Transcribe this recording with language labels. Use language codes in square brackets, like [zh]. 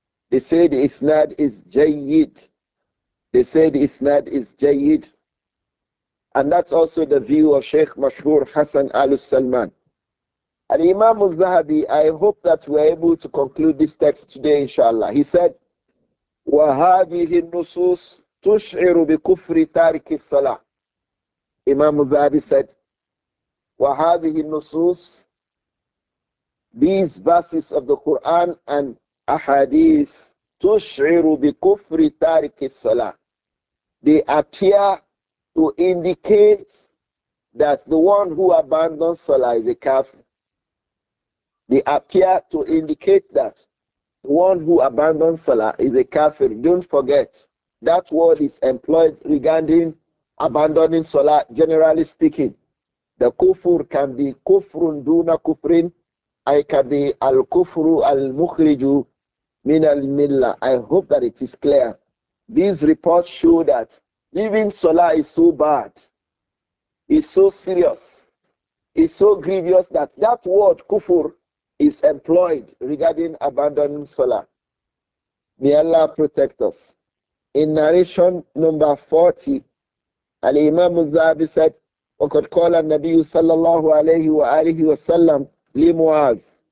[en] They say the isnad is jayyid. They said it's not is Jayid. And that's also the view of Sheikh Mashhur Hassan Al-Salman. Al-Imam al-Zahabi, I hope that we're able to conclude this text today, inshallah. He said, [ar] وَهَذِهِ النُّصُوصُ تُشْعِرُ بِكُفْرِ تَارِكِ الصَّلَاةِ. [en] Imam al-Zahabi said, [ar] وَهَذِهِ النُّصُوصُ, [en] these verses of the Quran and Ahadith, [ar] تُشْعِرُ بِكُفْرِ تَارِكِ الصَّلَاةِ, [en] they appear to indicate that the one who abandons Salah is a kafir. They appear to indicate that one who abandons Salah is a kafir. Don't forget, that word is employed regarding abandoning Salah, generally speaking. The kufur can be [ar] kufrun duna kufrin. [en] I can be [ar] al-kufru al-mukhriju min al-milla. [en] I hope that it is clear. These reports show that leaving Salah is so bad, is so serious, is so grievous, that that word kufur is employed regarding abandoning Salah. May Allah protect us. In narration number 40, Al-Imam al-Zahabi said, [ar] وَقَدْ قَالَ النَّبِيُّ صَلَّى اللَّهُ عَلَيْهِ وَآلِهِ وَسَلَّمْ لِمُعَاذِ.